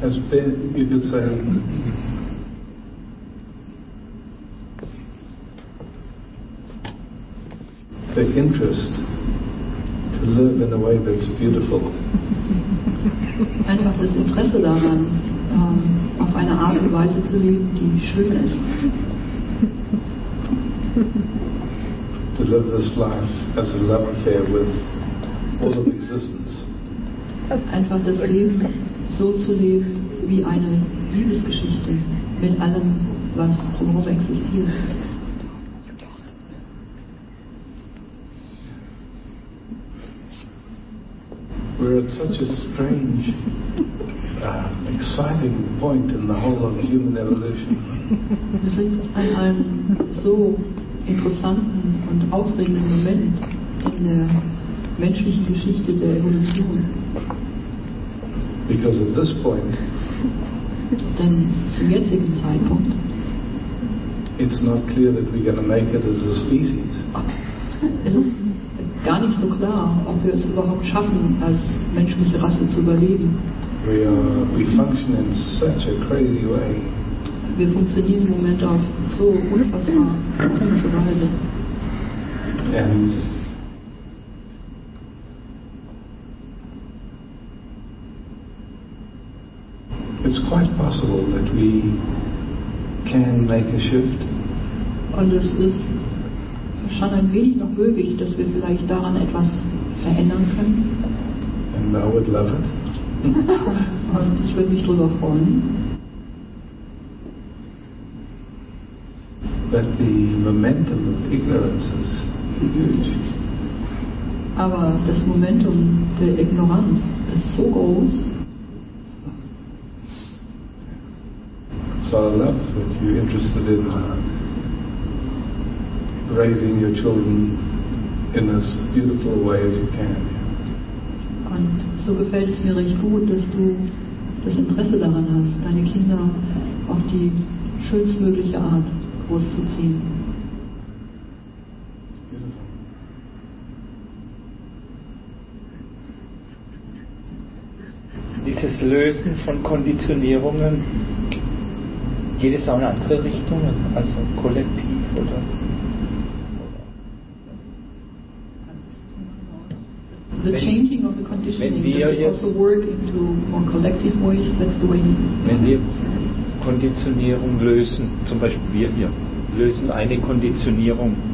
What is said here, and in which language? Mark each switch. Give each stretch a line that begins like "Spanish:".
English: As Ben, you could say, the interest to live in a way that's beautiful.
German: Einfach das Interesse daran, auf eine Art und Weise zu leben, die schön ist.
English: To live this life as a love affair with all of existence.
German: Einfach das Leben so zu leben wie eine Liebesgeschichte mit allem, was drumherum existiert.
English: We're at such a strange, exciting point in the whole of human evolution.
German: Wir sind an einem so interessanten und aufregenden Moment in der menschlichen Geschichte der Evolution.
English: Because at this point,
German: denn zum jetzigen Zeitpunkt,
English: it's not clear that we're going to make it as a species.
German: Gar nicht so klar, ob wir es überhaupt schaffen, als menschliche Rasse zu überleben.
English: We function in such a crazy way.
German: Wir funktionieren im Moment auf so unfassbar komische Weise.
English: And it's quite possible that we can make a shift.
German: Und es ist schon ein wenig noch möglich, dass wir vielleicht daran etwas verändern können.
English: And I would love it.
German: Und ich würde mich darüber freuen.
English: But the momentum of ignorance is huge.
German: Aber das Momentum der Ignoranz ist so groß.
English: So I love that you're interested in raising your children in as beautiful a way as you can.
German: Und so gefällt es mir recht gut, dass du das Interesse daran hast, deine Kinder auf die schönstmögliche Art großzuziehen. Dieses Lösen von Konditionierungen geht es auch in andere Richtungen, also kollektiv oder.
English: The changing of the conditioning does also work into more collective ways. That's the way.
German: Wenn wir Konditionierung lösen, zum Beispiel wir hier, lösen eine Konditionierung.